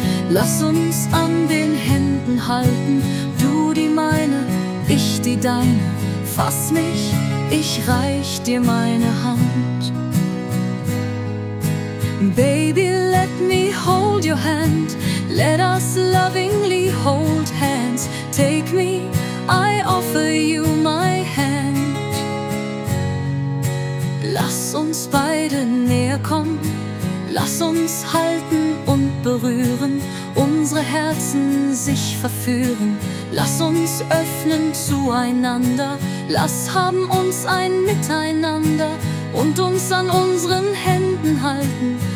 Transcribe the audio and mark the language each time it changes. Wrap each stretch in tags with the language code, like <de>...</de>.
<de>Lass uns an den Händen halten, du die meine, ich die deine. Fass mich, ich reich dir meine Hand.</de> <en>Baby, let me hold your hand. Let us lovingly hold hands. Take me, I offer you my hand.</en> <de>Lass uns beide näher kommen. Lass uns halten und berühren, unsere Herzen sich verführen. Lass uns öffnen zueinander. Lass haben uns ein Miteinander und uns an unseren Händen halten.</de>